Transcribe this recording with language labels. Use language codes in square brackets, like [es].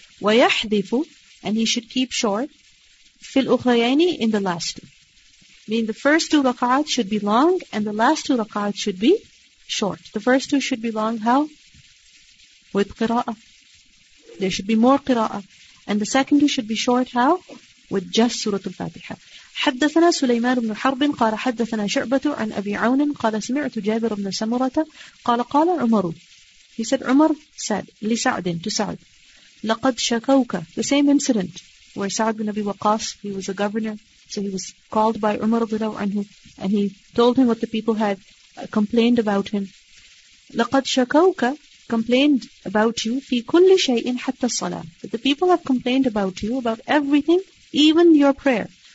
[ar] Wa yahdhifu, [en] and he should keep short, [ar] fil ukhrayayni, [en] in the last two. Mean the first two raka'at should be long and the last two raka'at should be short. The first two should be long, how? With qira'ah. There should be more qira'ah. And the second two should be short, how? With just Surah Al-Fatiha. [ar] حدثنا سليمان بن حرب قال حدثنا شعبة عن أبي عون قال سمعت جابر بن سمرة قال قال عمر. [en] He said, Umar said, لسعد, to Sa'd, [ar] لقد شكوك. [en] The same incident where Sa'd bin Abi Waqas, he was a governor, so he was called by Umar رضي الله عنه and he told him what the people had complained about him. [ar] لَقَدْ شَكَوْكَ, [en] complained about you, [ar] فِي كُلِّ شَيْءٍ حَتَّى الصَّلَاةِ, [en] that the people have complained about you, about everything, even your prayer.